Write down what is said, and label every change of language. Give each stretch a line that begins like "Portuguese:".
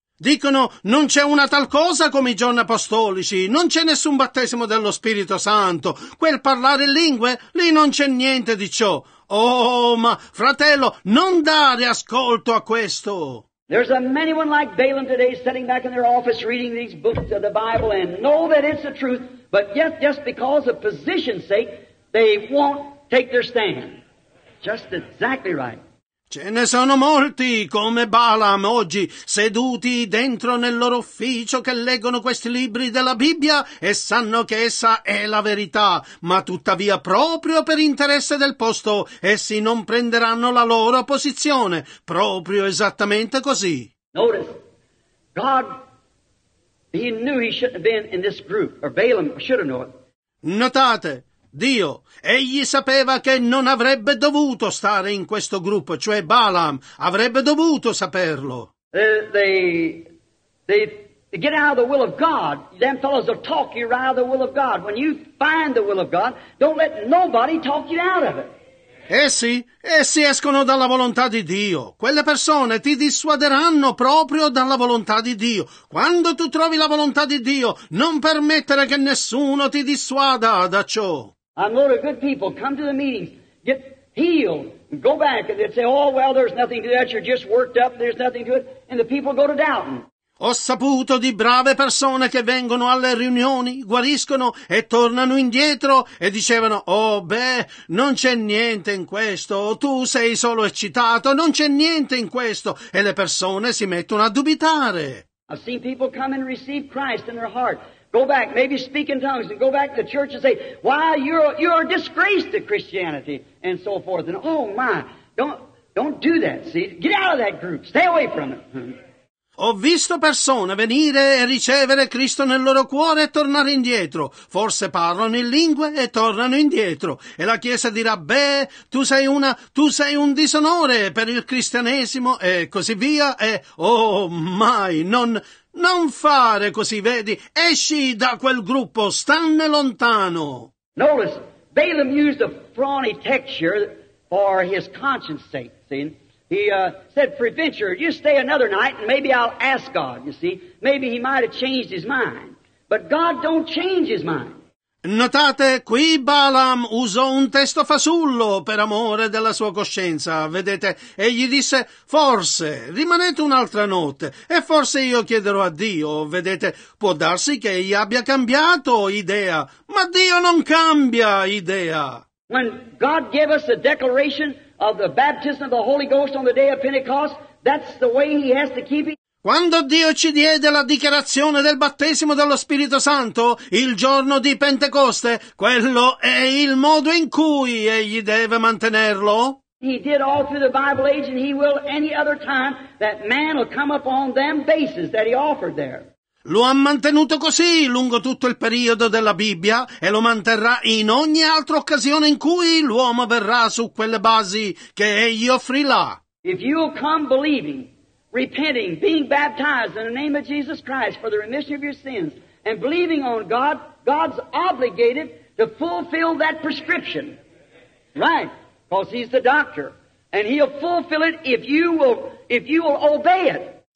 Italian: Dicono, non c'è una tal cosa come i giorni apostolici, non c'è nessun battesimo dello Spirito Santo. Quel parlare in lingue, lì non c'è niente di ciò. Oh, ma fratello, non dare ascolto a questo.
English: There's a many one like Balaam today sitting back in their office reading these books of the Bible and know that it's the truth, but yet just because of position's sake, they won't take their stand. Just exactly right.
Italian: Ce ne sono molti come Balaam oggi seduti dentro nel loro ufficio che leggono questi libri della Bibbia e sanno che essa è la verità, ma tuttavia proprio per interesse del posto essi non prenderanno la loro posizione, proprio esattamente così.
English: Notice, God, he knew he shouldn't have been in this group, or Balaam should have known it.
Italian: Notate, Dio. Egli sapeva che non avrebbe dovuto stare in questo gruppo, cioè Balaam avrebbe dovuto saperlo.
English: They get out of the will of God. Them fellows will talk you right out of the will of God. When you find the will of God, don't let nobody talk you out of it.
Italian: Essi escono dalla volontà di Dio. Quelle persone ti dissuaderanno proprio dalla volontà di Dio. Quando tu trovi la volontà di Dio, non permettere che nessuno ti dissuada da ciò.
English: I'm not a good people. Come to the meetings. Get healed. Go back and they'd say, oh, well, there's nothing to that. You're just worked up. There's nothing to it. And the people go to doubting.
Italian: Ho saputo di brave persone che vengono alle riunioni, guariscono e tornano indietro e dicevano, oh beh, non c'è niente in questo, tu sei solo eccitato, non c'è niente in questo, e le persone si mettono a dubitare.
English: I've seen people come and receive Christ in their heart, go back, maybe speak in tongues, and go back to the church and say, why, you're a disgrace to Christianity, and so forth, and oh my, don't do that, see, get out of that group, stay away from it.
Italian: Ho visto persone venire e ricevere Cristo nel loro cuore e tornare indietro. Forse parlano in lingue e tornano indietro. E la Chiesa dirà, beh, tu sei un disonore per il cristianesimo e così via. E, oh, mai, non fare così, vedi. Esci da quel gruppo, stanne lontano.
English: Notice, Balaam used a fawny texture for his conscience sake, see? He said, "Preventure, you stay another night, and maybe I'll ask God, you see. Maybe he might have changed his mind. But God don't change his mind."
Italian: Notate, qui Balaam usò un testo fasullo per amore della sua coscienza, vedete? E gli disse, forse, rimanete un'altra notte, e forse io chiederò a Dio, vedete? Può darsi che egli abbia cambiato idea, ma Dio non cambia idea.
English: When God gave us a declaration of the baptism of the Holy Ghost on the day of Pentecost, that's the way he has to keep it.
Italian: Quando Dio ci diede la dichiarazione del battesimo dello Spirito Santo il giorno di Pentecoste, quello è il modo in cui egli deve mantenerlo.
English: He did all through the Bible age, and he will any other time that man will come upon them bases that he offered there.
Italian: Lo ha mantenuto così lungo tutto il periodo della Bibbia e lo manterrà in ogni altra occasione in cui l'uomo verrà su quelle basi che egli offrì là.
English: If you come believing, repenting, being baptized in the name of Jesus Christ for the remission of your sins and believing on God, God's obligated to fulfill that prescription. Right? Because he's the doctor. And he'll fulfill it if you will obey it.